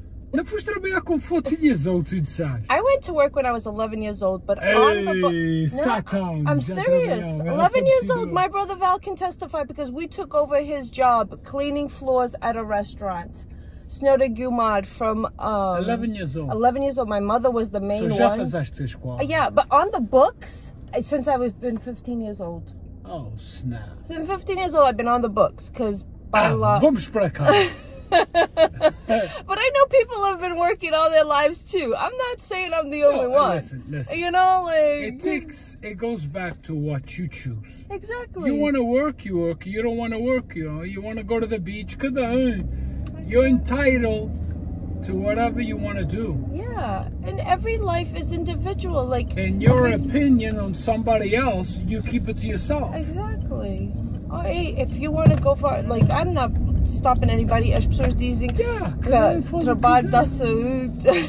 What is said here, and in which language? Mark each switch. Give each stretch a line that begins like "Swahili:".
Portuguese: Não foste trabalhar com
English: 14 years old,
Portuguese: tu disseste.
English: I went to work when I was 11 years old, but hey, on the Satan. I'm serious. 11 years old, my brother Val can testify because we took over his job cleaning floors at a restaurant. Snowda Gumad from 11 years old. 11 years old. My mother was the main so
Portuguese: So já fizeste as quatro.
English: Yeah, but on the books, since I've been 15 years old. Oh, snap. Since 15 years old, I've been on the books because by law.
Portuguese: Vamos para cá.
English: But I know people have been working all their lives too. I'm not saying I'm the only one. Listen. You know, like... It goes back to what you choose. Exactly. You want to work, you work. You don't want to work, you know. You want to go to the beach. You're entitled to whatever you want to do. Yeah. And every life is individual. Like, and your opinion on somebody else, you keep it to yourself. Exactly. If you want to go for... Like, I'm not... stopping anybody,
Portuguese: as pessoas dizem que trabalho da saúde.